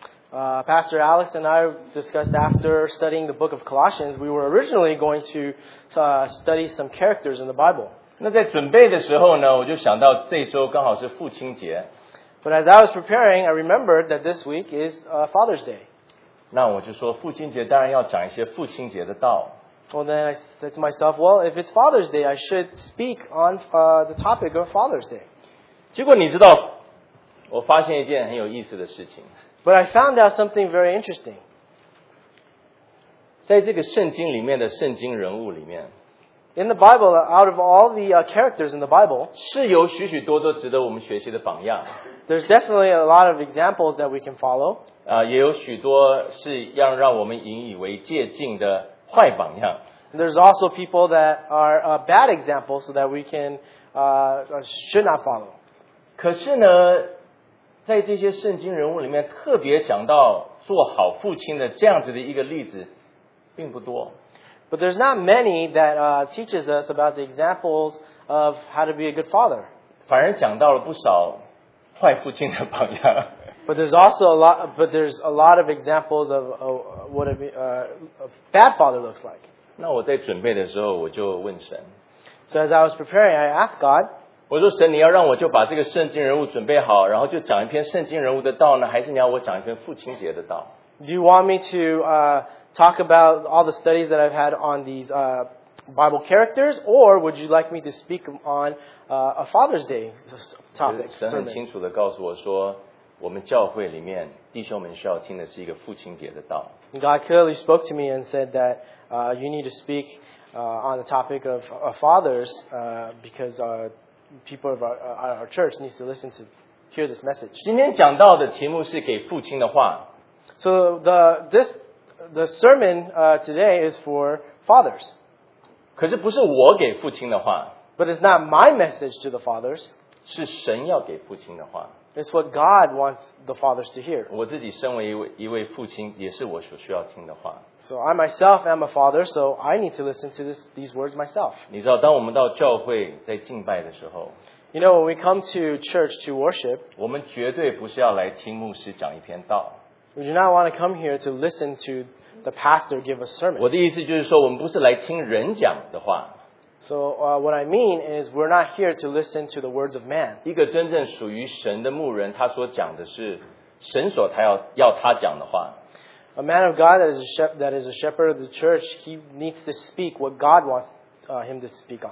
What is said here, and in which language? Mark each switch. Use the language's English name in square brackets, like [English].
[English] Pastor Alex and I discussed after studying the book of Colossians, we were originally going to study some characters in the Bible. [Chinese] 那在准备的时候呢，我就想到这周刚好是父亲节。 [English] But as I was preparing, I remembered that this week is Father's Day. [Chinese] 那我就说父亲节当然要讲一些父亲节的道。 [English] Well, then I said to myself, well, if it's Father's Day, I should speak on the topic of Father's Day. [Chinese] 结果你知道，我发现一件很有意思的事情。 [English] But I found out something very interesting. [Chinese] 在这个圣经里面的圣经人物里面 [English] ，In the Bible, out of all the characters in the Bible, [Chinese] 是有许许多多值得我们学习的榜样。 [English] There's definitely a lot of examples that we can follow. [Chinese] 也有许多是要让我们引以为戒禁的坏榜样。 [English] There's also people that are bad examples that we can should not follow. [Chinese] 可是呢，在这些圣经人物里面，特别讲到做好父亲的这样子的一个例子，并不多。 [English] But there's not many that teaches us about the examples of how to be a good father. [Chinese] 反而讲到了不少坏父亲的榜样。 [English] But there's also a lot. But there's a lot of examples of what a bad father looks like. [Chinese] 那我在准备的时候，我就问神。 [English] So as I was preparing, I asked God. [Chinese] 我说神，你要让我就把这个圣经人物准备好，然后就讲一篇圣经人物的道呢，还是你要我讲一篇父亲节的道 [English] ？Do you want me to talk about all the studies that I've had on these Bible characters, or would you like me to speak on a Father's Day topic? [Chinese] 神很清楚地告诉我说。我们教会里面弟兄们需要听的是一个父亲节的道。 [English] God clearly spoke to me and said that you need to speak on the topic of fathers because people of our church needs to listen to hear this message. [Chinese] 今天讲到的题目是给父亲的话。 [English] So the sermon today is for fathers. [Chinese] 可是不是我给父亲的话。 [English] But it's not my message to the fathers. [Chinese] 是神要给父亲的话。 [English] It's what God wants the fathers to hear. [Chinese] 我自己身为一位父亲，也是我所需要听的话。 [English] So I myself am a father, so I need to listen to these words myself. [Chinese] 你知道，当我们到教会在敬拜的时候 [English] ，You know, when we come to church to worship, [Chinese] 我们绝对不是要来听牧师讲一篇道。 [English] We do not want to come here to listen to the pastor give a sermon. [Chinese] 我的意思就是说，我们不是来听人讲的话。 [English] So what I mean is we're not here to listen to the words of man. [Chinese] 一个真正属于神的牧人，他所讲的是神所他要他讲的话。 [English] A man of God that is a shepherd of the church, he needs to speak what God wants him to speak on.